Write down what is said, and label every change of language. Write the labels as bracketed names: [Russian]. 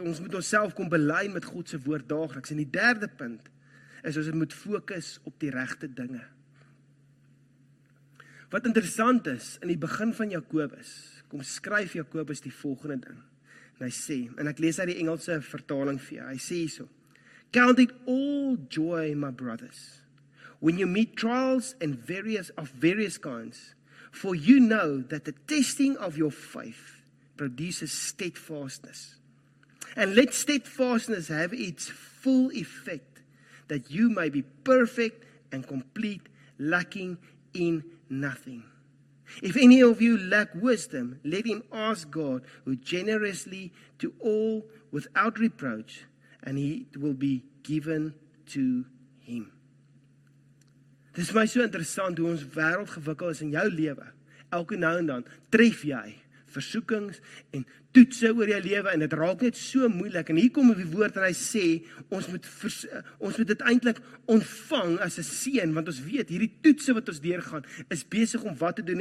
[Afrikaans] Ons moet onsself kom belyn met God se woord daagliks. En die derde punt is ons moet fokus op die regte dinge. Wat interessant is, in die begin van Jakobus, kom skryf Jakobus die volgende ding. Hy sê, en ek lees uit die Engelse vertaling vir jou, hy sê so, [English] count it all joy, my brothers, when you meet trials and various kinds, for you know that the testing of your faith produces steadfastness. And let steadfastness have its full effect, that you may be perfect and complete, lacking in nothing. If any of you lack wisdom, let him ask God, who generously to all without reproach, and it will be given to him. [Afrikaans] Dit is my so interessant hoe ons wêreld gewikkeld is in jou lewe. Elke nou en dan tref jy versoekings en toetse oor jou lewe en dit raak net so moeilik. En hier kom die woord en hy sê, ons moet dit eintlik ontvang as 'n seën, want ons weet hierdie toetse wat ons deurgaan is besig om wat te doen.